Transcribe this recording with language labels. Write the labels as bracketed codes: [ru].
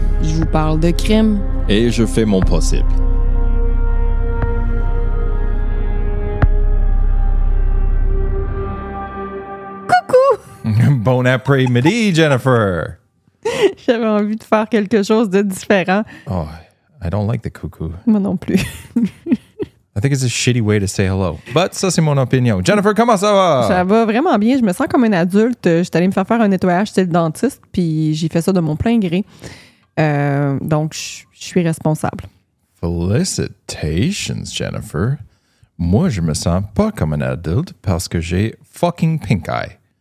[fr] Je vous parle de crime. Et je fais mon possible. Coucou! Bon après-midi, Jennifer! J'avais envie de faire quelque chose de différent. [en] Oh, I don't like the coucou. [fr] Moi non plus. [en] I think it's a shitty way to say hello. [fr] But ça, c'est mon opinion. Jennifer, comment ça va? Ça va vraiment bien. Je me sens comme un adulte. Je suis allée me faire faire un nettoyage chez le dentiste, puis j'ai fait ça de mon plein gré. Donc, je suis responsable. Felicitations, Jennifer. Moi, je me sens pas comme un adulte parce que j'ai [en] fucking pink eye.